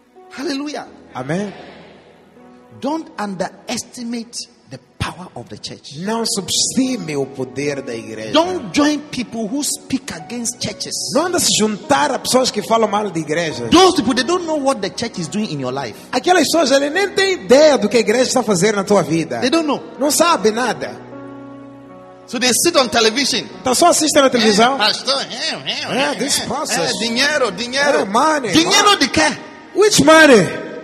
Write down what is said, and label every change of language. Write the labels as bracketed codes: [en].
[en] Hallelujah. Amen. Don't underestimate the power of the church. [pt] Não subestime o poder da igreja. [en] Don't join people who speak against churches. [pt] Não anda se juntar a pessoas que falam mal de igrejas. [en] Those people, they don't know what the church is doing in your life. [pt] Aquelas pessoas, elas nem têm ideia do que a igreja está fazendo na tua vida. [en] They don't know. [pt] Não sabe nada. [en] So they sit on television. [pt] Então só assistem na televisão. [en] Pastor, this process. [pt] Dinheiro. [en] Money. [pt] Dinheiro de quê? [en] Which money?